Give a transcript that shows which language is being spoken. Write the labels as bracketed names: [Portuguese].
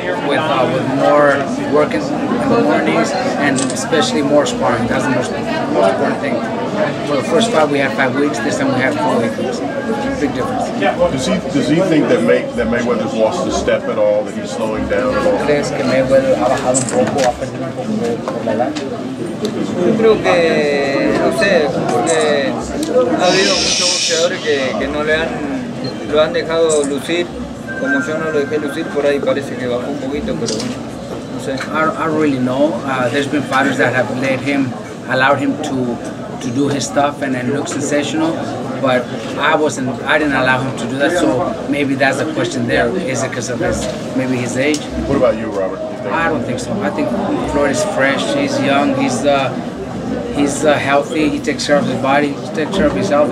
[English] With more work in the mornings, and especially more sparring. That's the most important thing. For the first five, we had 5 weeks. This time, we had 4 weeks. Big difference. Does he think that that Mayweather's lost a step at all? That he's slowing down at all? [Spanish] ¿Crees que Mayweather ha bajado un poco, ha perdido un poco de la edad? Yo creo que, no sé, porque ha habido muchos boxeadores que no le han, lo han dejado lucir. Como yo no lo dejé lucir, por ahí parece que bajó un poquito, pero bueno, no sé. [English] I really know. There's been fighters that have let him, allowed him to do his stuff and then look sensational, but I didn't allow him to do that, so maybe that's the question there. Is it because of his age? What about you, Robert? I don't think so. I think Floyd is fresh, he's young, he's healthy, he takes care of his body, he takes care of his health.